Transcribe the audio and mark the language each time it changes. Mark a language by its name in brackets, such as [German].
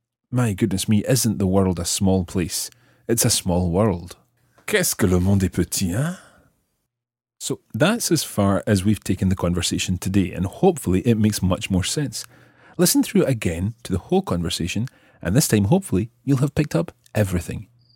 [English] My goodness me, isn't the world a small place? It's a small world. [French] Qu'est-ce que le monde est petit, hein? [English] So that's as far as we've taken the conversation today, and hopefully it makes much more sense. Listen through again to the whole conversation And this time, hopefully, you'll have picked up everything.